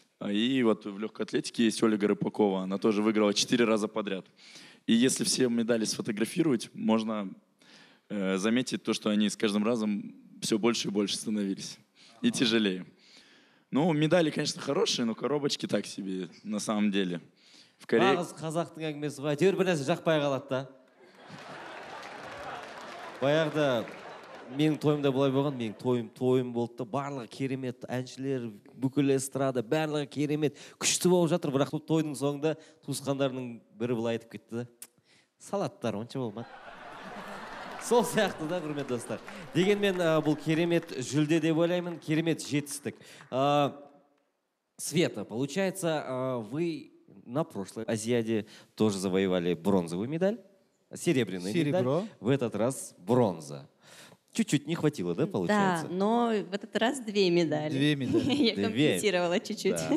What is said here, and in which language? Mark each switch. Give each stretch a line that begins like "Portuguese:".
Russian: И вот в легкой атлетике есть Ольга Рыпакова, она тоже выиграла 4 раза подряд. И если все медали сфотографировать, можно заметить то, что они с каждым разом все больше и больше становились. И тяжелее. Ну, медали, конечно, хорошие, но коробочки так себе, на самом деле. В Корее...
Kazakh: Ағыз қазақтың әңгімесі бай, тәуір бір нәрсе жақпай қалады да. Баяғыда менің тойымда бұлай болған, менің тойым болды да, барлығы керемет, әншілер, бүкіл эстрада, барлығы керемет, күшті болып жатыр, бірақ тойдың соңында туысқандарының бірі бұлай айтып кетті да. Салаттар, онша болмады. Сол сияқты да, құрмет достар. Дегенмен, бұл керемет жүлде деп ойлаймын, керемет жетістік.
Russian: Света, получается, вы на прошлой Азиаде тоже завоевали бронзовую медаль, серебряную медаль. Серебро. В этот раз бронза. Чуть-чуть не хватило, да, получается? Да, но в этот раз 2 медали. 2 медали. Я компенсировала чуть-чуть.